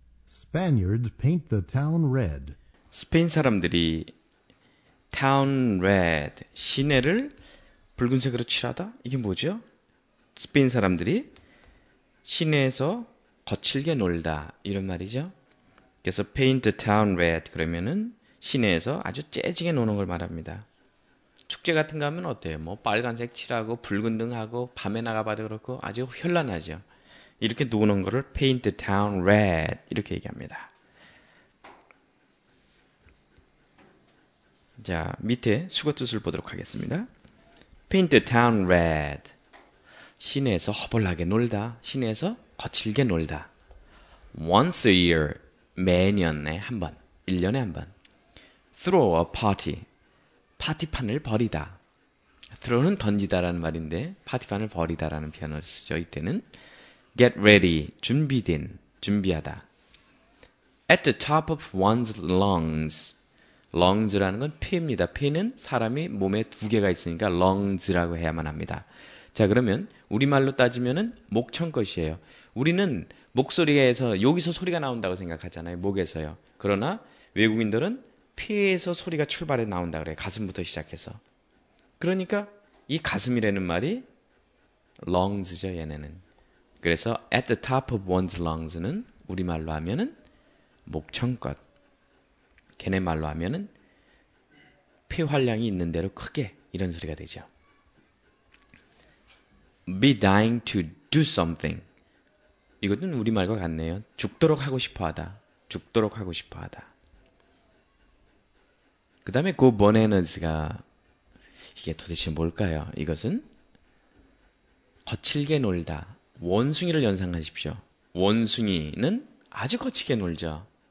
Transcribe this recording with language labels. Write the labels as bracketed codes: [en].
[en] Spaniards paint the town red. [ko] 스페인 사람들이 [en] town red, [ko] 시내를 붉은색으로 칠하다? 이게 뭐죠? 스페인 사람들이 시내에서 거칠게 놀다. 이런 말이죠. 그래서 [en] paint the town red [ko] 그러면은 시내에서 아주 재지게 노는 걸 말합니다. 축제 같은 거 하면 어때요? 뭐 빨간색 칠하고 붉은 등하고 밤에 나가봐도 그렇고 아주 현란하죠. 이렇게 노는 거를 [en] paint the town red [ko] 이렇게 얘기합니다. 자, 밑에 수거 뜻을 보도록 하겠습니다. [en] paint the town red [ko] 시내에서 허벌나게 놀다. 시내에서 거칠게 놀다. [en] once a year [ko] 매년에 한 번, 1년에 한 번. [en] throw a party [ko] 파티판을 버리다. throw는 던지다라는 말인데 파티판을 버리다라는 표현을 쓰죠. 이때는 [en] get ready [ko] 준비된, 준비하다. [en] at the top of one's lungs lungs [ko] 라는 건 폐입니다. 폐는 사람이 몸에 두 개가 있으니까 lungs라고 해야만 합니다. 자, 그러면 우리말로 따지면은 목청껏이에요. 우리는 목소리에서 여기서 소리가 나온다고 생각하잖아요. 목에서요. 그러나 외국인들은 폐에서 소리가 출발해 나온다 그래요. 가슴부터 시작해서. 그러니까 이 가슴이라는 말이 lungs죠, 얘네는. 그래서 [en] at the top of one's lungs [ko] 는 우리말로 하면은 목청껏. 걔네 말로 하면은 폐활량이 있는 대로 크게 이런 소리가 되죠. [en] be dying to do something. [ko] 이것은 우리말과 같네요. 죽도록 하고 싶어 하다. 죽도록 하고 싶어 하다. 그 다음에 [en] go bananas [ko] 가 이게 도대체 뭘까요? 이것은 거칠게 놀다. 원숭이를 연상하십시오. 원숭이는 아주 거칠게 놀죠.